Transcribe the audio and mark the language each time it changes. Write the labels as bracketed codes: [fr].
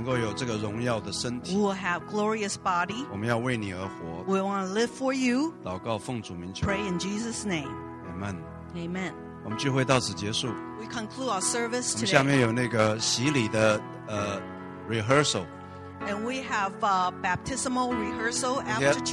[en] will have a glorious body. We want to live for you. Pray in Jesus' name. Amen. Amen. [zh] 我们聚会到此结束。 [en] We conclude our service today. [zh] 我们下面有那个洗礼的rehearsal. [en] And we have a baptismal rehearsal after church.